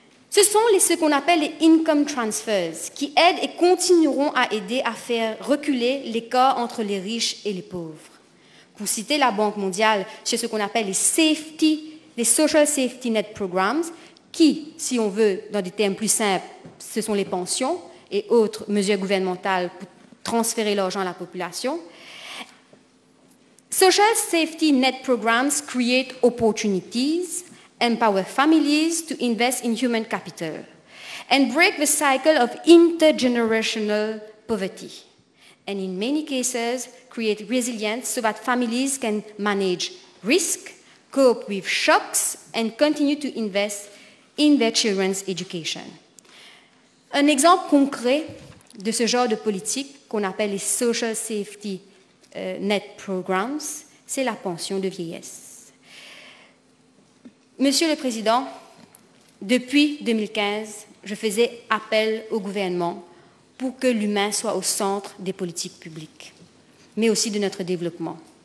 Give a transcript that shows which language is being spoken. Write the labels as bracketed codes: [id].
[fr] Ce sont ce qu'on appelle les income transfers qui aident et continueront à aider à faire reculer l'écart entre les riches et les pauvres. Pour citer la Banque mondiale, c'est ce qu'on appelle les social safety net programs, qui, si on veut, dans des termes plus simples, ce sont les pensions et autres mesures gouvernementales pour transférer l'argent à la population. [en] Social safety net programs create opportunities, empower families to invest in human capital, and break the cycle of intergenerational poverty, and in many cases, create resilience so that families can manage risk, cope with shocks, and continue to invest in their children's education. [fr] Un exemple concret de ce genre de politique qu'on appelle les social safety net programs, c'est la pension de vieillesse. Monsieur le Président, depuis 2015, je faisais appel au gouvernement pour que l'humain soit au centre des politiques publiques, mais aussi de notre développement.